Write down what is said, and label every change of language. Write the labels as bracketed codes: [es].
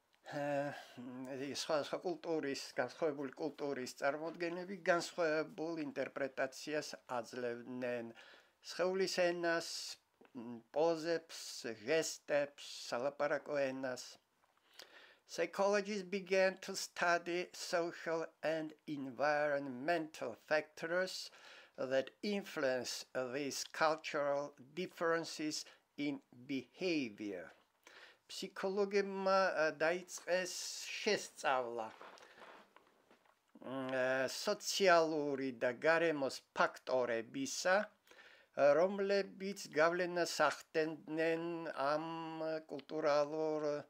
[ka] სხვადასხვა კულტურის, განსხვავებული კულტურის წარმოდგენები განსხვავებულ ინტერპრეტაციას აძლევდნენ სხეულის ენას, პოზებს, ჟესტებს, სალაპარაკო ენას. [en] Psychologists began to study social and environmental factors that influence these cultural differences in behavior. [ka] ფსიქოლოგებმა დაიწყეს შესწავლა სოციალური და გარემოს ფაქტორებისა, რომლებიც გავლენას ახდენდნენ ამ კულტურალურ